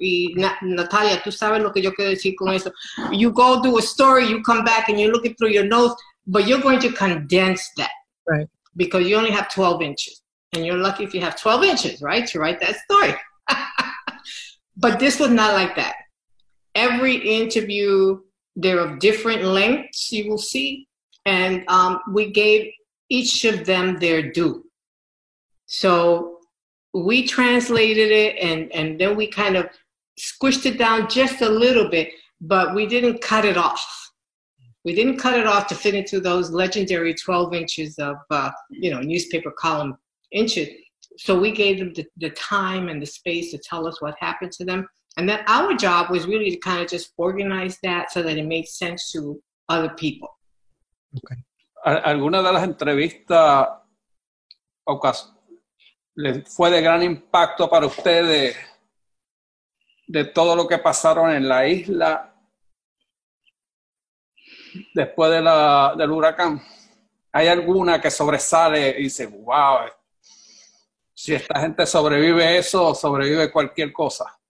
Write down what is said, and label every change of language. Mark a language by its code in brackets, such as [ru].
[es] Y Natalia, tú sabes lo que yo quiero decir con eso. [en] You go do a story, you come back and you're looking through your notes, but you're going to condense that. Right. Because you only have 12 inches. And you're lucky if you have 12 inches, right, to write that story. But this was not like that. Every interview, they're of different lengths, you will see. And we gave each of them their due. So we translated it, and then we kind of squished it down just a little bit, but we didn't cut it off. We didn't cut it off to fit into those legendary 12 inches of, newspaper column inches. So we gave them the time and the space to tell us what happened to them. And then our job was really to kind of just organize that so that it made sense to other people. Okay. [es] ¿Alguna de las entrevistas, Ocas, le fue de gran impacto para ustedes de todo lo que pasaron en la isla? Después de del huracán, ¿hay alguna que sobresale y dice, wow, si esta gente sobrevive eso, sobrevive cualquier cosa?